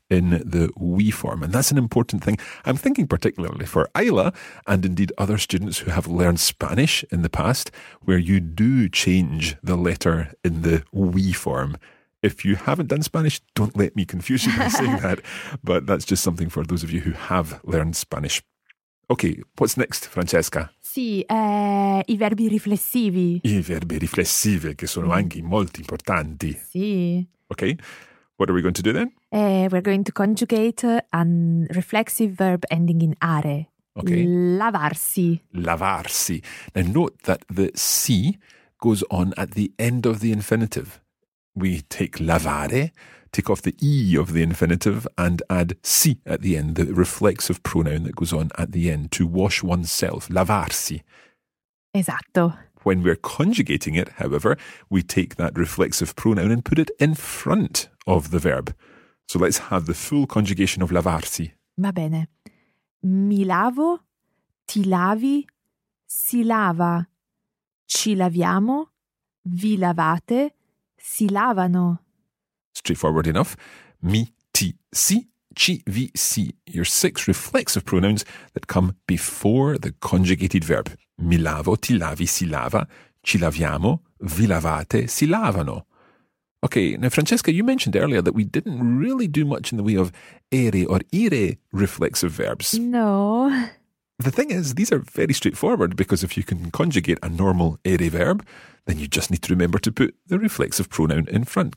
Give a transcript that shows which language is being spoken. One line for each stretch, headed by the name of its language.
English: in the we form. And that's an important thing. I'm thinking particularly for Isla and indeed other students who have learned Spanish in the past, where you do change the letter in the we form. If you haven't done Spanish, don't let me confuse you by saying that. But that's just something for those of you who have learned Spanish. Okay, what's next, Francesca?
Italian: Sì, i verbi riflessivi. I verbi riflessivi, che sono anche molto importanti. Sì.
English: Okay, what are we going to do then? We're going to conjugate a reflexive verb ending in are. Okay.
Italian: Lavarsi. Lavarsi.
English: Now note that the si goes on at the end of the infinitive. We take lavare, take off the e of the infinitive and add si at the end, the reflexive pronoun that goes on at the end, to wash oneself, lavarsi.
Italian: Esatto.
English: When we're conjugating it, however, we take that reflexive pronoun and put it in front of the verb. So let's have the full conjugation of lavarsi.
Italian: Va bene. Mi lavo, ti lavi, si lava, ci laviamo, vi lavate, si lavano.
English: Straightforward enough. Mi, ti, si, ci, vi, si. Your six reflexive pronouns that come before the conjugated verb.
Italian: Mi lavo, ti lavi, si lava, ci laviamo, vi lavate, si lavano.
English: Okay, now Francesca, you mentioned earlier that we didn't really do much in the way of ere or ire reflexive verbs. No. The thing is, these are very straightforward because if you can conjugate a normal ere verb, then you just need to remember to put the reflexive pronoun in front.